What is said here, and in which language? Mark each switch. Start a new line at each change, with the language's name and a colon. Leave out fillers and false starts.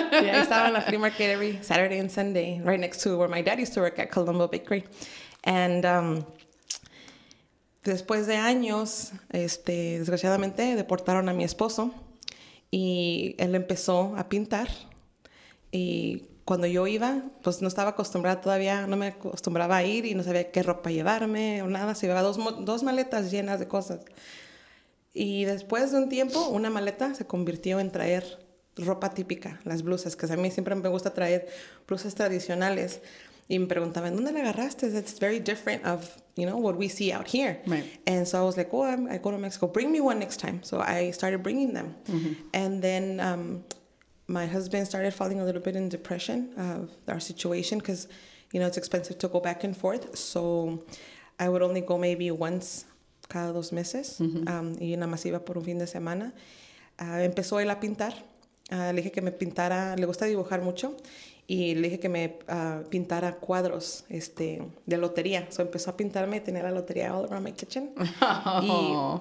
Spanish: Yeah, I estaba en la
English: flea market every Saturday and Sunday, right next to where my dad used to work at Colombo Bakery,
Spanish: and después de años, desgraciadamente, deportaron a mi esposo, y él empezó a pintar, y cuando yo iba, pues no estaba acostumbrada todavía, no me acostumbraba a ir y no sabía qué ropa llevarme o nada. Se llevaba dos maletas llenas de cosas. Y después de un tiempo, una maleta se convirtió en traer ropa típica, las blusas, que a mí siempre me gusta traer blusas tradicionales. Y me preguntaban, ¿dónde la agarraste?
English: It's very different of, you know, what we see out here. Right. And so I was like, oh, I go to Mexico. Bring me one next time. So I started bringing them. Mm-hmm. And then... my husband started falling a little bit in depression of our situation because, you know, it's expensive to go back and forth. So I would only go maybe once
Spanish: cada dos meses. Mm-hmm. Y nada más iba por un fin de semana. Empezó él a pintar. Le dije que me pintara, le gusta dibujar mucho. Y le dije que me pintara cuadros de lotería. So empezó a pintarme, tenía la lotería
English: all around my kitchen. Oh.